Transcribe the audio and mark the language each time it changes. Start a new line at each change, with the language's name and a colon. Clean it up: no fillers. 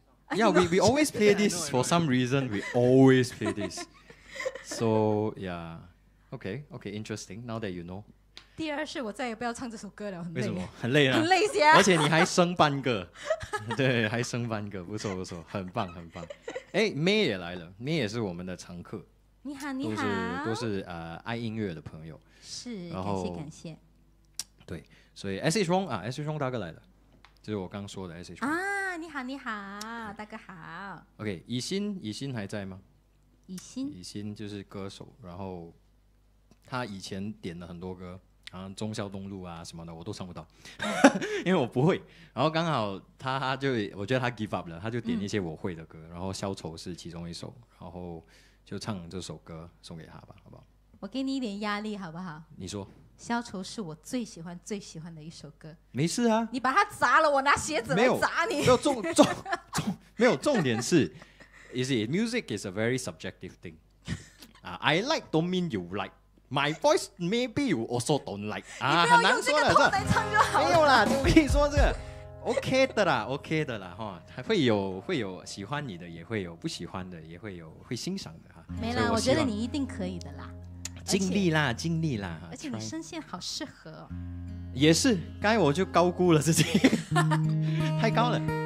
English: ？Yeah, we always play this for some reason. We always play this. So yeah, okay, okay, interesting. Now that you know.
Chinese: 第二是我再也不要唱这首歌了，很累。为什么？很累啊，很累些、啊。而且你还升半个，对，还升半个，不错不错，很棒很棒。哎 ，May 也来了 ，May 也是我们的常客。你好，你好，都是爱音乐的朋友，是，然后感谢感谢，对，所以 SH Wong 啊 ，SH Wong 大哥来了，就是我刚说的 SH Wong 啊，你好，你好，大哥好，OK， 以心，以心还在吗？以心，以心就是歌手，然后他以前点了很多歌，然后忠孝东路啊什么的，我都唱不到，因为我不会，然后刚好他就我觉得他
English: give up
Chinese: 了，他就点一些我会的歌，然后消愁是其中一首，然后。就唱这首歌送给他吧，好不好？我给你一点压力，好不好？你说，消愁是我最喜欢最喜欢的一首歌。没事啊，你把它砸了，我拿鞋子来砸你。没有重没有重点是，
English: is it music is a very subjective thing. I like don't mean you like. My voice maybe you also don't like.
Chinese: 啊，很难说的，唱就好了。没有啦，我跟你说这个。 OK 的啦 ，OK 的啦，哈，会有喜欢你的，也会有不喜欢的，也会有会欣赏的哈。没啦，我觉得你一定可以的啦，尽力啦，尽力啦，而且你声线好适合、哦、也是刚才我就高估了自己太高了。